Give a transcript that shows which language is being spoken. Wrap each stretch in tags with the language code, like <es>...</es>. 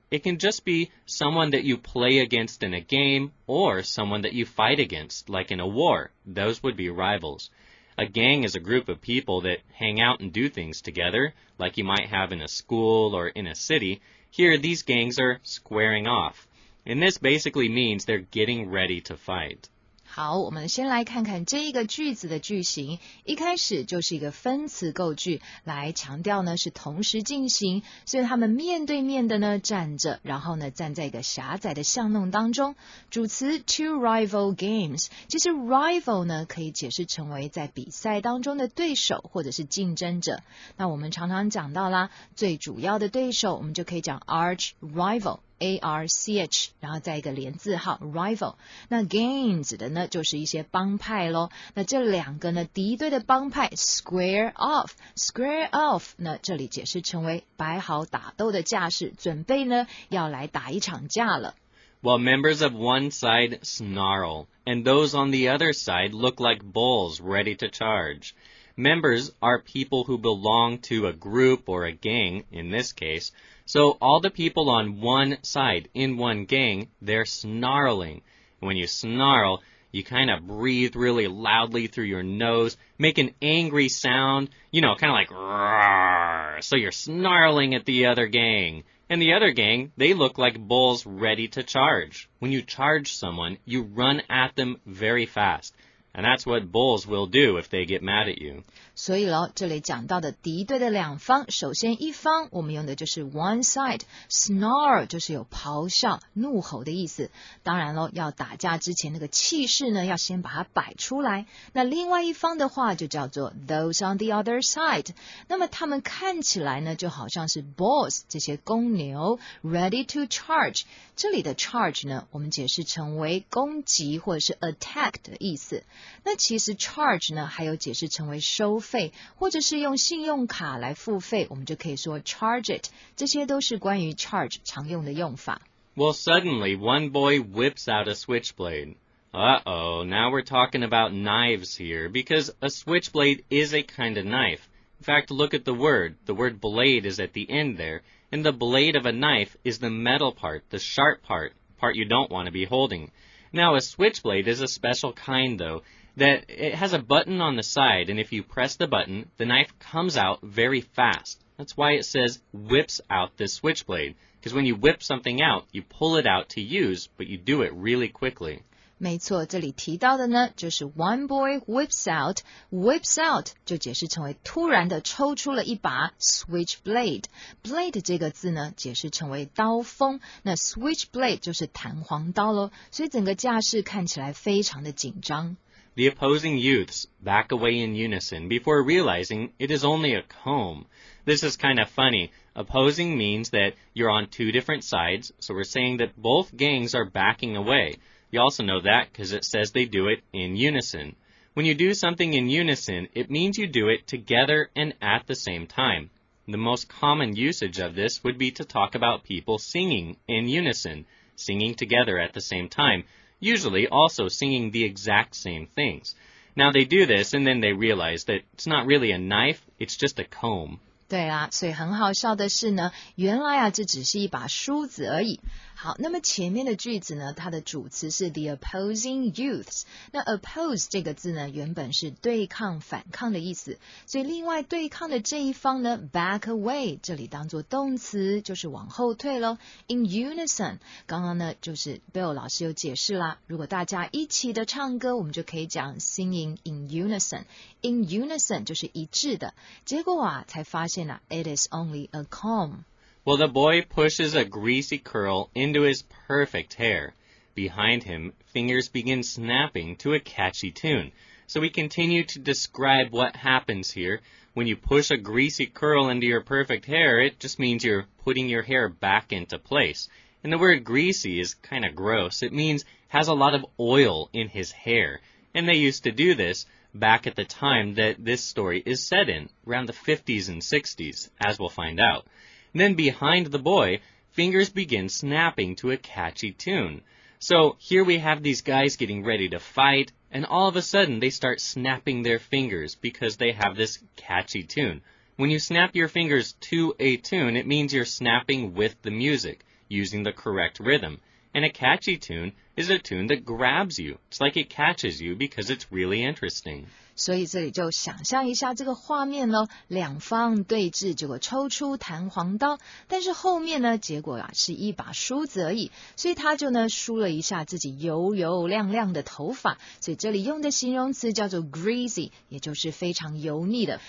<en>It can just be someone that you play against in a game or someone that you fight against, like in a war. Those would be rivals. A gang is a group of people that hang out and do things together, like you might have in a school or in a city. Here, these gangs are squaring off. And this basically means they're getting ready to fight.</en> <zh>好，我们先来看看这一个句子的句型，一开始就是一个分词构句，来强调呢是同时进行，所以他们面对面的呢站着，然后呢站在一个狭窄的巷弄当中。主词 two rival games，其实 rival 呢可以解释成为在比赛当中的对手或者是竞争者。那我们常常讲到啦，最主要的对手，我们就可以讲 arch rival。 A-R-C-H，然后再一个连字号 rival， 那 game 指的呢就是一些帮派咯。那这两个呢敌对的帮派 square off，那这里解释成为摆好打斗的架势，准备呢要来打一场架了。</zh> <en>Well, members of one side snarl, and those on the other side look like bulls ready to charge. Members are people who belong to a group or a gang, in this case,So all the people on one side in one gang, they're snarling. When you snarl, you kind of breathe really loudly through your nose, make an angry sound, you know, kind of like roar. So you're snarling at the other gang. And the other gang, they look like bulls ready to charge. When you charge someone, you run at them very fast. And that's what bulls will do if they get mad at you.</en> <zh>所以咯，这里讲到的敌对的两方，首先一方我们用的就是 one side， snarl 就是有咆哮、怒吼的意思。当然咯，要打架之前那个气势呢，要先把它摆出来。那另外一方的话就叫做 those on the other side。那么他们看起来呢，就好像是 bulls 这些公牛 ready to charge。这里的 charge 呢，我们解释成为攻击或者是 attack 的意思。那其实 charge 呢还有解释成为收费或者是用信用卡来付费，我们就可以说 charge it，这些都是关于 charge 常用的用法。</zh> <en>Well, suddenly one boy whips out a switchblade. Uh-oh, now we're talking about knives here, because a switchblade is a kind of knife. In fact, look at the word. The word blade is at the end there, and the blade of a knife is the metal part, the sharp part, part you don't want to be holdingNow, a switchblade is a special kind, though, that it has a button on the side, and if you press the button, the knife comes out very fast. That's why it says whips out the switchblade, because when you whip something out, you pull it out to use, but you do it really quickly.</en> <zh>没错，这里提到的呢就是 one boy whips out， whips out 就解释成为突然的抽出了一把 switchblade， blade 这个字呢解释成为刀锋，那 switchblade 就是弹簧刀咯，所以整个架势看起来非常的紧张。</zh> <en>The opposing youths back away in unison before realizing it is only a comb. This is kind of funny. Opposing means that you're on two different sides, so we're saying that both gangs are backing awayYou also know that because it says they do it in unison. When you do something in unison, it means you do it together and at the same time. The most common usage of this would be to talk about people singing in unison, singing together at the same time, usually also singing the exact same things. Now they do this and then they realize that it's not really a knife, it's just a comb.</en> <zh>对啦，所以很好笑的是呢，原来啊这只是一把梳子而已。好，那么前面的句子呢，它的主词是 the opposing youths，那 oppose 这个字呢原本是对抗反抗的意思，所以另外对抗的这一方呢 back away，这里当作动词就是往后退咯。 in unison，刚刚呢就是 Bill 老师有解释啦，如果大家一起的唱歌，我们就可以讲 singing in unison， in unison 就是一致的，结果啊才发现啊 it is only a comb。</zh> <en>Well, the boy pushes a greasy curl into his perfect hair. Behind him, fingers begin snapping to a catchy tune. So we continue to describe what happens here. When you push a greasy curl into your perfect hair, it just means you're putting your hair back into place. And the word greasy is kind of gross. It means has a lot of oil in his hair. And they used to do this back at the time that this story is set in, around the 50s and 60s, as we'll find out. Then behind the boy, fingers begin snapping to a catchy tune. So here we have these guys getting ready to fight, and all of a sudden they start snapping their fingers because they have this catchy tune. When you snap your fingers to a tune, it means you're snapping with the music, using the correct rhythm. And a catchy tune is a tune that grabs you. It's like it catches you because it's really interesting.</en> <zh>所以这里就想象一下这个画面咯，两方对峙，结果抽出弹簧刀，但是后面呢，结果啊是一把梳子而已，所以他就呢梳了一下自己油油亮亮的头发，所以这里用的形容词叫做 greasy， 也就是非常油腻的。</zh>